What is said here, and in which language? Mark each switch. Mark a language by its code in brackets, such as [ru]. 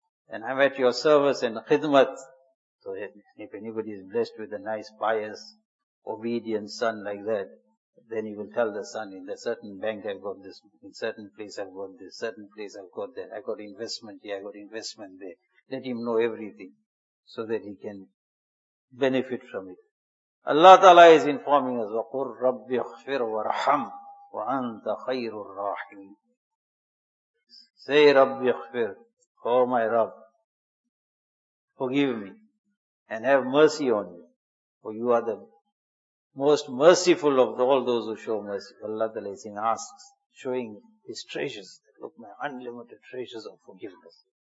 [en] And I'm at your service and khidmat. So if anybody is blessed with a nice, pious, obedient son like that, then he will tell the son, in a certain bank I've got this, in certain place I've got this, certain place I've got that, I've got investment here, I've got investment there. Let him know everything, so that he can benefit from it. Allah Ta'ala is informing us, [ar] وَقُرْ رَبِّ اغْفِرْ وَرْحَمْ وَأَنْتَ خَيْرُ الرَّاحِمِينَ. [en] Say, [ar] رَبِّ اغْفِرْ, [en] oh my Rabb, forgive me, and have mercy on me, for you are the most merciful of all those who show mercy. Allah Ta'ala is asks, showing his treasures. Look, my unlimited treasures of forgiveness.